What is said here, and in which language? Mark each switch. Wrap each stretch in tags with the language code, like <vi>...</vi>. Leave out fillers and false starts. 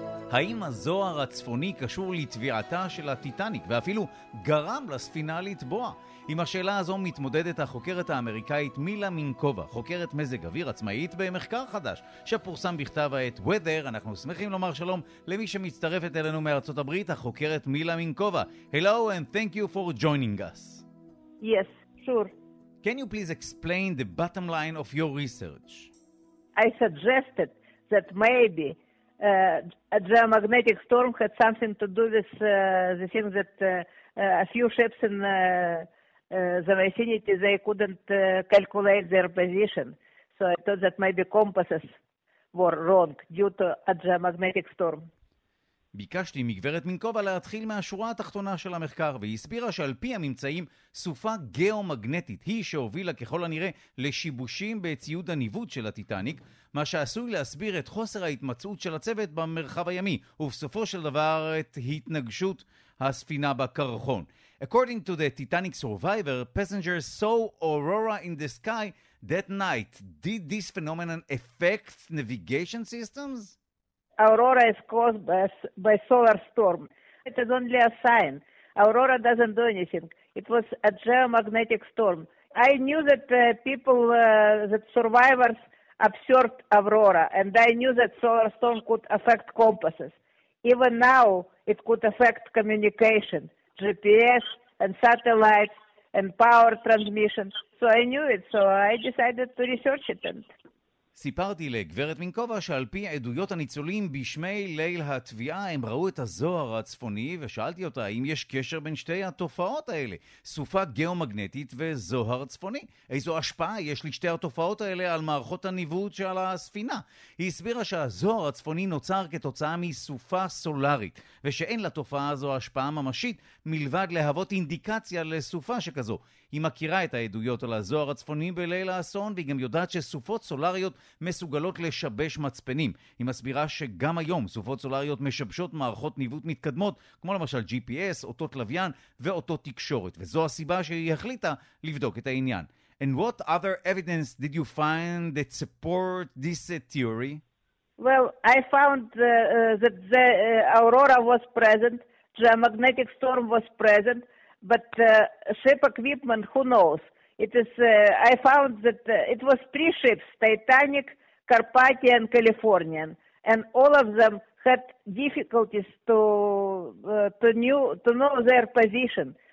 <he>האם הזוהר הצפוני קשור לטביעתה של הטיטניק ואפילו גרם לספינה לטבוע? עם השאלה הזו מתמודדת החוקרת האמריקאית מילה מינקובה, חוקרת מזג אוויר עצמאית במחקר חדש שפורסם בכתב העת Weather. אנחנו שמחים לומר שלום למי שמצטרפת אלינו מארצות הברית, החוקרת מילה מינקובה.</he> <en>Hello and thank you for joining us. Yes, sure. Can you please explain the bottom line of your research? I suggested that maybe a geomagnetic storm had something to do with the thing that a few ships in the vicinity, they couldn't calculate their position. So I thought that maybe compasses were wrong due to a geomagnetic storm.</en> <he>ביקשתי מגברת מינקובה להתחיל מהשורה התחתונה של המחקר, והיא הסבירה שעל פי הממצאים, סופה גיאומגנטית היא שהובילה ככל הנראה לשיבושים בציוד הניווט של הטיטניק, מה שעשוי להסביר את חוסר ההתמצאות של הצוות במרחב הימי, ובסופו של דבר את התנגשות הספינה בקרחון.</he> <en>According to the Titanic survivor, passengers saw aurora in the sky that night. Did this phenomenon affect navigation systems? Aurora is caused by solar storm. It is only a sign. Aurora doesn't do anything. It was a geomagnetic storm. I knew that that survivors observed aurora, and I knew that solar storm could affect compasses. Even now, it could affect communication, GPS and satellites and power transmission. So I knew it, so I decided to research it. And</en> <he>סיפרתי לגברת מינקובה שעל פי עדויות הניצולים בשמי ליל התביעה הם ראו את הזוהר הצפוני, ושאלתי אותה האם יש קשר בין שתי התופעות האלה, סופה גיאומגנטית וזוהר צפוני. איזו השפעה יש לשתי התופעות האלה על מערכות הניווט שעל הספינה? היא הסבירה שהזוהר הצפוני נוצר כתוצאה מסופה סולארית, ושאין לתופעה הזו השפעה ממשית מלבד להוות אינדיקציה לסופה שכזו. היא מכירה את העדויות על הזוהר הצפוני בליל האסון, והיא גם יודעת שסופות סולריות מסוגלות לשבש מצפנים. היא מסבירה שגם היום סופות סולריות משבשות מערכות ניווט מתקדמות, כמו למשל GPS, אותות לוויין ואותות תקשורת, וזו הסיבה שהיא החליטה לבדוק את העניין.</he> <en>And what other evidence did you find that support this theory? Well, I found that the aurora was present, the magnetic storm was present, but ship equipment, who knows? It is, I found that it was three ships, Titanic, Carpathia, and Californian, and all of them had difficulties to know their position.</en>